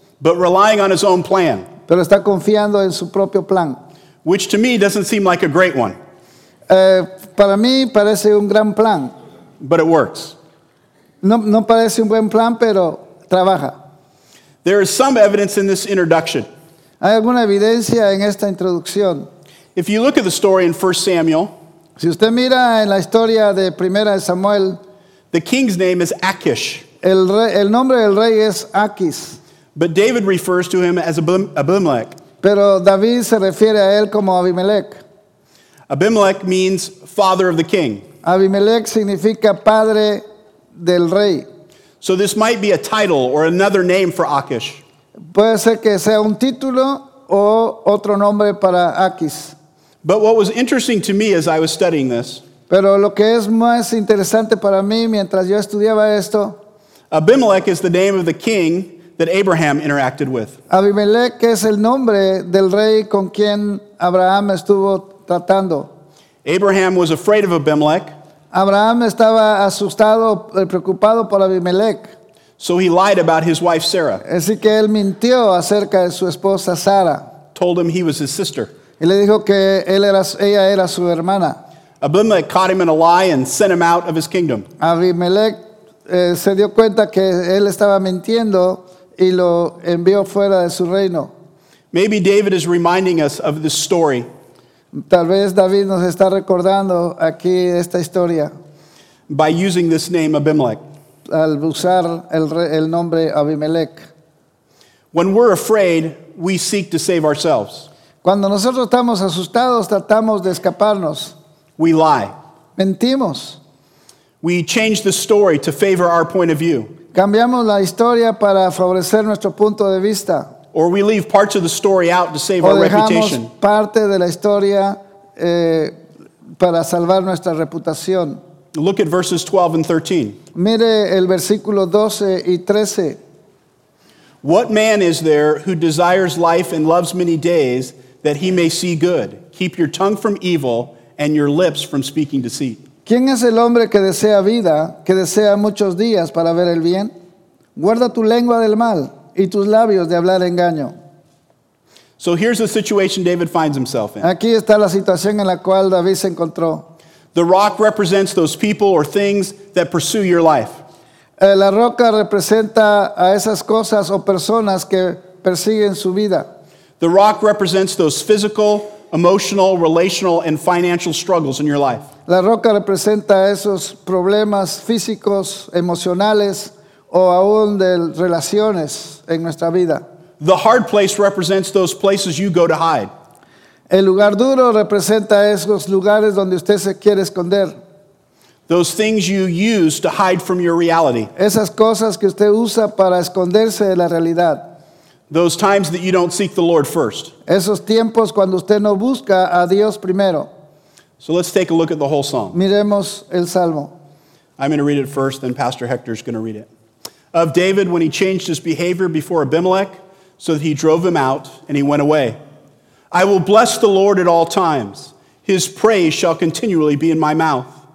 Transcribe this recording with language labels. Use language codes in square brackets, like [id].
[en] But relying on his own plan. [es] Pero está confiando en su propio plan. [en] Which to me doesn't seem like a great one. [es] Para mí parece un gran plan. [en] But it works. [es] No parece un buen plan, pero trabaja. [en] There is some evidence in this introduction. [es] Hay alguna evidencia en esta introducción. [en] If you look at the story in 1 Samuel, [es] si usted mira en la historia de Primera de Samuel, [en] the king's name is Achish. [es] El nombre del rey es Achis. [en] But David refers to him as Abimelech. [es] Pero David se refiere a él como Abimelech. [en] Abimelech means father of the king. [es] Abimelech significa padre del rey. [en] So this might be a title or another name for Achish. [es] Puede ser que sea un título o otro nombre para Achis. [en] But what was interesting to me as I was studying this, [es] pero lo que es más interesante para mí mientras yo estudiaba esto, [en] Abimelech is the name of the king that Abraham interacted with. [es] Abimelech es el nombre del rey con quien Abraham estuvo tratando. [en] Abraham was afraid of Abimelech. [es] Abraham estaba asustado, preocupado por Abimelech. [en] So he lied about his wife Sarah. [es] Así que él mintió acerca de su esposa Sara. [en] Told him he was his sister. [es] Y le dijo que él era, ella era su hermana. [en] Abimelech caught him in a lie and sent him out of his kingdom. [es] Abimelech se dio cuenta que él estaba mintiendo y lo envió fuera de su reino. [en] Maybe David is reminding us of this story. [es] Tal vez David nos está recordando aquí esta historia. [en] By using this name Abimelech. [es] Al usar el nombre Abimelech. [en] When we're afraid, we seek to save ourselves. [es] Cuando nosotros estamos asustados, tratamos de escaparnos. [en] We lie. [es] Mentimos. [en] We change the story to favor our point of view. [es] Cambiamos la historia para favorecer nuestro punto de vista. [en] Or we leave parts of the story out to save our reputation. [es] O dejamos parte de la historia para salvar nuestra reputación. [en] Look at verses 12 and 13. [es] Mire el versículo 12 y 13. [en] What man is there who desires life and loves many days that he may see good? Keep your tongue from evil and your lips from speaking deceit. [es] ¿Quién es el hombre que desea vida, que desea muchos días para ver el bien? Guarda tu lengua del mal y tus labios de hablar engaño. [en] So here's the situation David finds himself in. [es] Aquí está la situación en la cual David se encontró. [en] The rock represents those people or things that pursue your life. [es] La roca representa a esas cosas o personas que persiguen su vida. [en] The rock represents those physical, emotional, relational, and financial struggles in your life. [es] La roca representa esos problemas físicos, emocionales, o aún de relaciones en nuestra vida. [en] The hard place represents those places you go to hide. [es] El lugar duro representa esos lugares donde usted se quiere esconder. [en] Those things you use to hide from your reality. [es] Esas cosas que usted usa para esconderse de la realidad. [en] Those times that you don't seek the Lord first. [es] Esos tiempos cuando usted no busca a Dios primero. [en] So let's take a look at the whole psalm. [es] Miremos el salmo. [en] I'm going to read it first, then Pastor Hector is going to read it. Of David when he changed his behavior before Abimelech, so that he drove him out and he went away. I will bless the Lord at all times. His praise shall continually be in my mouth.